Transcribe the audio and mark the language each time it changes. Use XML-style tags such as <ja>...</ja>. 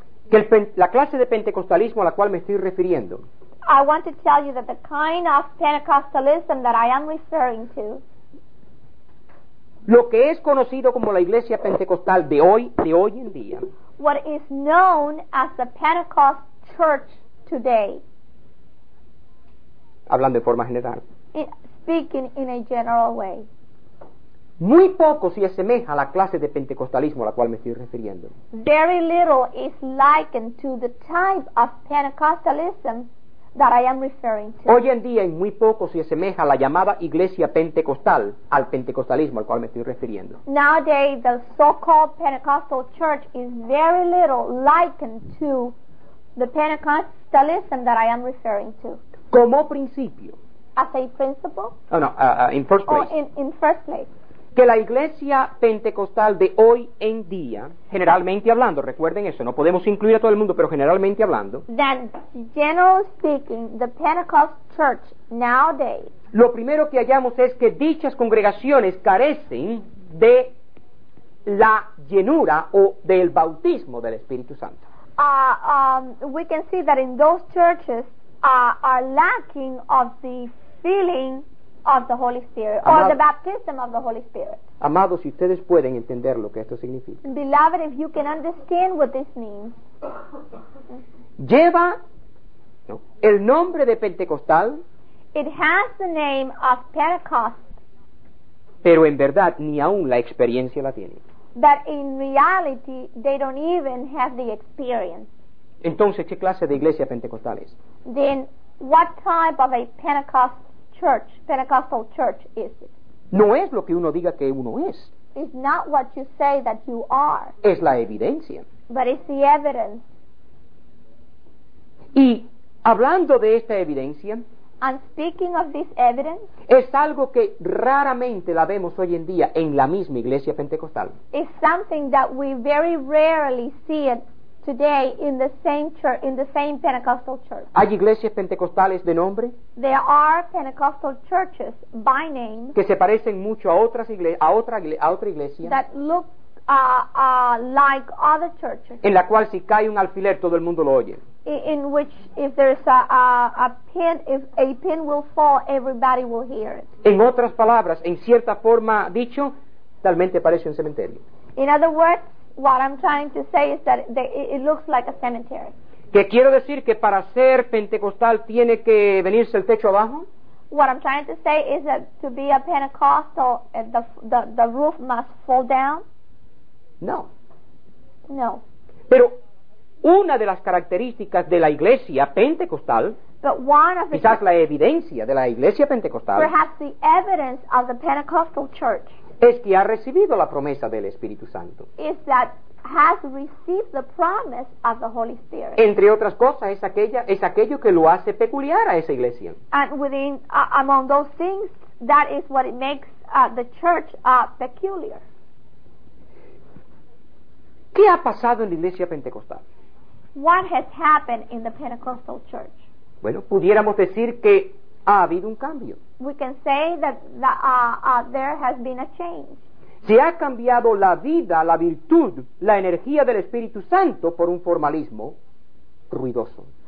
<es>Que la clase de pentecostalismo a la cual me estoy refiriendo.</es> <en>I want to tell you that the kind of Pentecostalism that I am referring to.</en> <es>Lo que es conocido como la iglesia pentecostal de hoy en día.</es> <en>What is known as the Pentecost Church today.</en> <es>Hablando de forma general.</es> <en>Speaking in a general way.</en> <es>Muy poco se asemeja a la clase de pentecostalismo a la cual me estoy refiriendo.</es> <en>Very little is likened to the type of Pentecostalism that I am referring to.</en> <es>Hoy en día, en muy poco se asemeja la llamada iglesia pentecostal al pentecostalismo al cual me estoy refiriendo.</es> <en>Nowadays, the so-called Pentecostal church is very little likened to the Pentecostalism that I am referring to.</en> <es>Como principio.</es> <en>As a principle? Oh, no, in first place. In first place.</en> <es>Que la iglesia pentecostal de hoy en día, generalmente hablando, recuerden eso, no podemos incluir a todo el mundo, pero generalmente hablando.</es> <en>Then, generally speaking, the Pentecost church nowadays.</en> <es>Lo primero que hallamos es que dichas congregaciones carecen de la llenura o del bautismo del Espíritu Santo.</es> <en>We can see that in those churches are lacking of the filling of the Holy Spirit, or the baptism of the Holy Spirit.</en> <es>Amados, si ustedes pueden entender lo que esto significa.</es> <en>Beloved, if you can understand what this means.</en> <es>Lleva el nombre de Pentecostal.</es> <en>It has the name of Pentecost.</en> <es>Pero en verdad ni aún la experiencia la tiene.</es> <en>But in reality, they don't even have the experience.</en> <es>Entonces, ¿qué clase de iglesia pentecostal es?</es> <en>Then, what type of a Pentecostal church is it?</en> <es>No es lo que uno diga que uno es.</es> <en>It's not what you say that you are.</en> <es>Es la evidencia.</es> <en>But it's the evidence.</en> <es>Y hablando de esta evidencia,</es> <en>and speaking of this evidence,</en> <es>es algo que raramente la vemos hoy en día en la misma iglesia pentecostal.</es> <en>It's something that we very rarely see it today in the same church, in the same Pentecostal church.</en> <es>¿Hay iglesias pentecostales de nombre?</es> <en>There are Pentecostal churches by name</en> <es>que se parecen mucho a otras otra iglesia</es> <en>that look like other churches,</en> <es>en la cual si cae un alfiler todo el mundo lo oye.</es> <en>In which if there's a pin will fall, everybody will hear it.</en> <es>En otras palabras, en cierta forma dicho, talmente parece un cementerio.</es> <en>In other words, what I'm trying to say is that it looks like a cemetery.</en> <es>¿Qué quiero decir? ¿Que para ser pentecostal tiene que venirse el techo abajo?</es> <en>What I'm trying to say is that to be a Pentecostal, the roof must fall down?</en> <es>No. Pero una de las características de la iglesia pentecostal, quizás la evidencia de la iglesia pentecostal,</es> <en>perhaps the evidence of the Pentecostal church,</en> <es>es que ha recibido la promesa del Espíritu Santo.</es> <en>Is that has received the promise of the Holy Spirit.</en> <es>Entre otras cosas, es aquello que lo hace peculiar a esa iglesia.</es> <en>And within among those things, that is what it makes the church peculiar.</en> <es>¿Qué ha pasado en la iglesia pentecostal?</es> <en>What has happened in the Pentecostal church?</en> <es>Bueno, pudiéramos decir que ha habido un cambio.</es> <en>We can say that there has been a change.</en> <es>Se ha cambiado la vida, la virtud, la energía del Espíritu Santo por un formalismo ruidoso.</es>